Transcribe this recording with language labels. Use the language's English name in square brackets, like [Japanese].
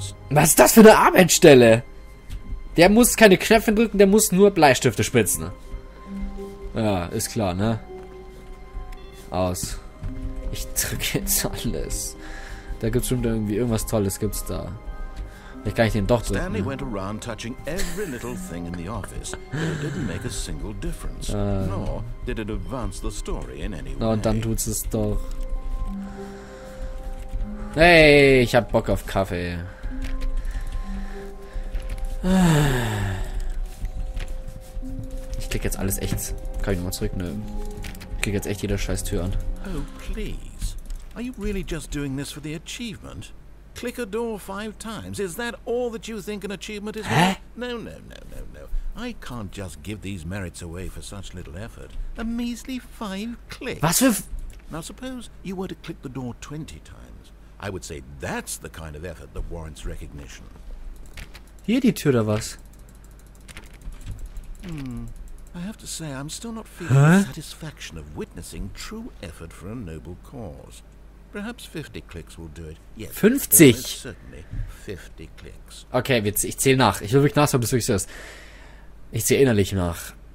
[German] Was ist das für eine Arbeitsstelle? Der muss keine Knöpfe drücken, der muss nur Bleistifte spitzen. Ja, ist klar, ne? Aus. Ich drücke jetzt alles. Da gibt's schon irgendwie irgendwas Tolles, gibt's da. Vielleicht kann ich den doch drücken. [English] Stanley went around touching every little thing in the office, but it didn't make a single difference. Nor did it advance the story in any way. [German] Na, und dann tut's es doch. Hey, ich hab Bock auf Kaffee. Ich klicke jetzt alles echt. Kann ich nochmal zurück? Nö. Ich klicke jetzt echt jede scheiß Tür an. [English] Oh, please. Are you really just doing this for the achievement? Click a door 5 times. Is that all that you think an achievement is? Hä? No, no, no, no, no. I can't just give these merits away for such little effort. A measly 5 clicks. [German] Was für. [English] Now, suppose you were to click the door 20 times. I would say that's the kind of effort that warrants recognition. [German] Hier die Tür oder was? [English] I have to say I'm still not feeling the satisfaction of witnessing true effort for a noble cause. Perhaps 50 clicks will do it. Yes, 50. Certainly 50 clicks. [German] Okay, ich zähle nach. Ich will wirklich nachschauen, bis du es hörst. Ich zähle innerlich nach.